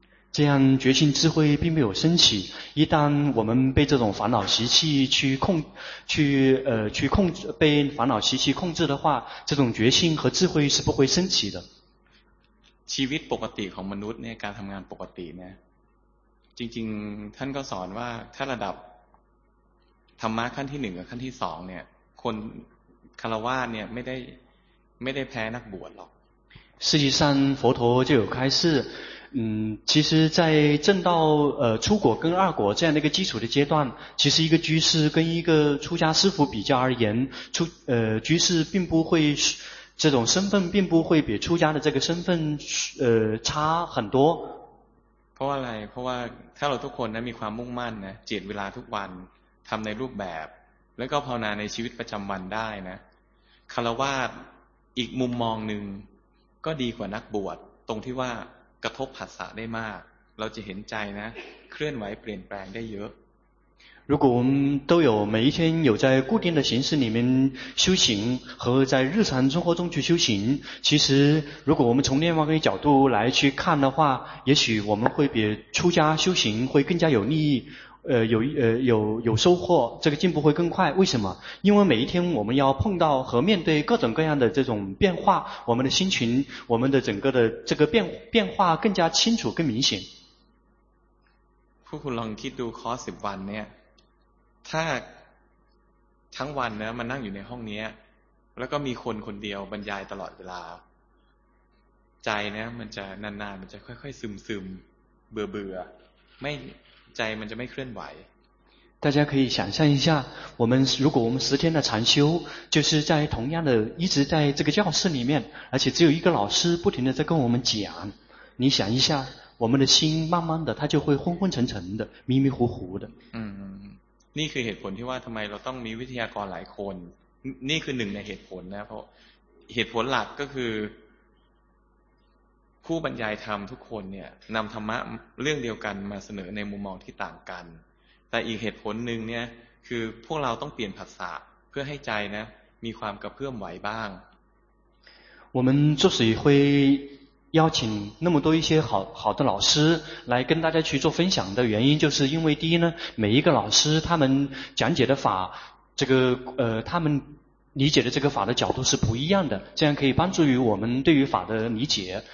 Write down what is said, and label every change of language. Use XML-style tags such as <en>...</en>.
<zh>这样觉性智慧并没有升起，一旦我们被这种烦恼习气去控制，被烦恼习气控制的话，这种觉性和智慧是不会升起的。</zh> <th>ชีวิตปกติของมนุษย์เนี่ยการทำงานปกติเนี่ยจริงๆท่านก็สอนว่าถ้าระดับธรรมะขั้นที่หนึ่งกับขั้นที่สองเนี่ยคนคารวะเนี่ยไม่ได้แพ้นักบวชหรอก。</th> <zh>实际上佛陀就有开示，其实在正道初果跟二果这样的一个基础的阶段，其实一个居士跟一个出家师父比较而言，居士并不会，这种身份并不会比出家的这个身份差很多。</zh> <th>เพราะอะไรเพราะว่าถ้าเราทุกคนนะมีความมุ่งมั่นนะเจียดเวลาทุกวันทำในรูปแบบแล้วก็ภาวนาในชีวิตประจำวันได้นะคารวะอีกมุมมองนึงก็ดีกว่านักบวชตรงที่ว่ากระทบผัสสะได้มากเราจะเห็นใจนะเคลื่อนไหวเปลี่ยนแปลงได้เยอะ</th> <zh>如果我们都有每一天有在固定的形式里面修行和在日常生活中去修行，其实如果我们从另外一个角度来去看的话，也许我们会比出家修行会更加有利益，有收获，这个进步会更快。为什么？因为每一天我们要碰到和面对各种各样的这种变化，我们的心情，我们的整个的这个变化更加清楚更明显。</zh> <th>พวกคุณลองคิดดูคอร์ส10วันเนี่ยถ้าทั้งวันนะมานั่งอยู่ในห้องนี้แล้วก็มีคนคนเดียวบรรยายตลอดเวลาใจนะมันจะนานๆมันจะค่อยๆซึมเบื่อๆไม่ใจมันจะไม่เคลื่อนไหว</th> <zh>大家可以想象一下，我们如果我们十天的禅修，就是在同样的一直在这个教室里面，而且只有一个老师不停的在跟我们讲，你想一下，我们的心慢慢的它就会昏昏沉沉的，迷迷糊糊的。</zh> <th>นี่คือเหตุผลที่ว่าทำไมเราต้องมีวิทยากรหลายคนนี่คือหนึ่งในเหตุผลนะเพราะเหตุผลหลักก็คือผู้บรรยายธรรมทุกคนเนี่ยนำธรรมะเรื่องเดียวกันมาเสนอในมุมมองที่ต่างกันแต่อีกเหตุผลนึงเนี่ยคือพวกเราต้องเปลี่ยนผัสสะเพื่อให้ใจนะมีความกระเพื่อมไหวบ้าง</th> <zh>我们就是会邀请那么多一些好的老师来跟大家去做分享的原因，就是因为第一呢，每一个老师他们讲解的法，这个他们理解的这个法的角度是不一样的，这样可以帮助于我们对于法的理解。</zh>